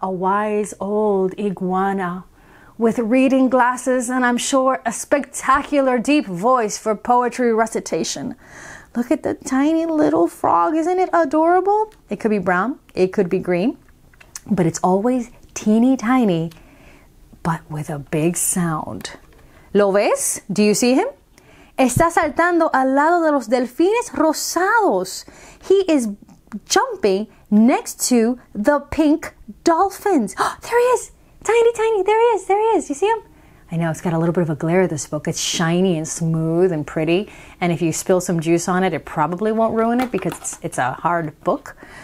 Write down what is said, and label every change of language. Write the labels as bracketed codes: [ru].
[en] A wise old iguana with reading glasses and I'm sure a spectacular deep voice for poetry recitation. Look at the tiny little frog. Isn't it adorable? It could be brown. It could be green. But it's always teeny tiny, but with a big sound. [es] ¿Lo ves? [en] Do you see him? [es] Está saltando al lado de los delfines rosados. [en] He is jumping next to the pink dolphins. Oh, there he is! Tiny, tiny, there he is. You see him? I know, it's got a little bit of a glare, this book. It's shiny and smooth and pretty. And if you spill some juice on it, it probably won't ruin it because it's a hard book.